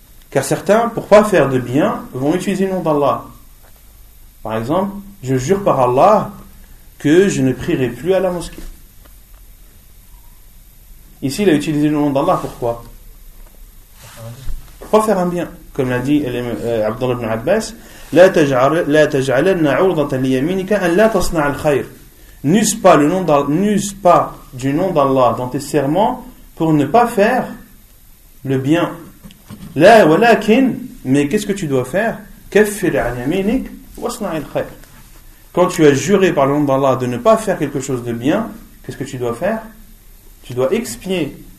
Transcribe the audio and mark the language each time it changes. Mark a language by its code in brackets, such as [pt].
[fr] Car certains, pour ne pas faire de bien, vont utiliser le nom d'Allah. Par exemple, je jure par Allah que je ne prierai plus à la mosquée. Ici, il a utilisé le nom d'Allah. Pourquoi? Pourquoi faire un bien? Comme l'a dit Abdullah ibn Abbas, [ar] لا تجعلن عرضة ليمينك أن لا تصنع الخير. [fr] N'use pas du nom d'Allah dans tes serments pour ne pas faire le bien. [ar] La walakin, [fr] mais qu'est-ce que tu dois faire? [ar] Kaffir 'an yaminik wasna' al-khayr. [fr] Quand tu as juré par le nom d'Allah de ne pas faire quelque chose de bien, qu'est-ce que tu dois faire? Tu dois expier.